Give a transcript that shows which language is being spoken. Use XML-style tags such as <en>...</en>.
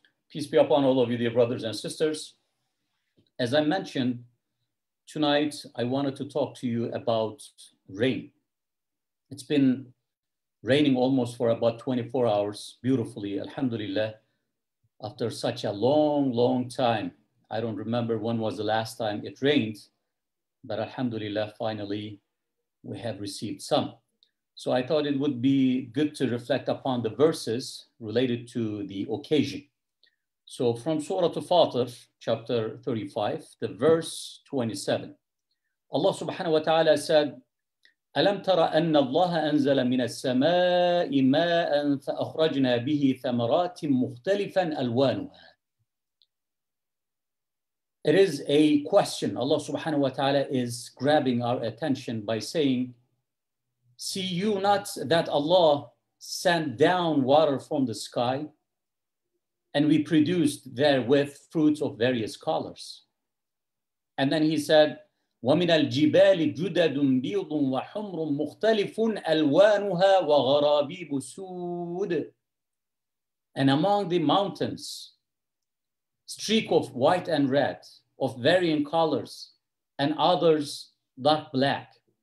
<en>Peace be upon all of you, dear brothers and sisters. As I mentioned, tonight, I wanted to talk to you about rain. It's been raining almost for about 24 hours, beautifully, alhamdulillah, after such a long, long time. I don't remember when was the last time it rained, but alhamdulillah, finally, we have received some. So I thought it would be good to reflect upon the verses related to the occasion. So from Surah Al-Fatir, chapter 35, the verse 27. Allah subhanahu wa ta'ala said,</en> <ar>أَلَمْ تَرَ أَنَّ اللَّهَ أَنزَلَ مِنَ السَّمَاءِ مَاءً فَأَخْرَجْنَا بِهِ ثَمَرَاتٍ مُخْتَلِفًا أَلْوَانُهَا</ar> <en>It is a question. Allah subhanahu wa ta'ala is grabbing our attention by saying, See you not that Allah sent down water from the sky? And we produced therewith fruits of various colors. And then he said,</en> <ar>وَمِنَ الْجِبَالِ جُدَدٌ بِيضٌ وَحُمْرٌ مُخْتَلِفٌ أَلْوَانُهَا وَغَرَابِيبُ سُودٌ</ar> <en>And among the mountains, streak of white and red, of varying colors, and others dark black.</en>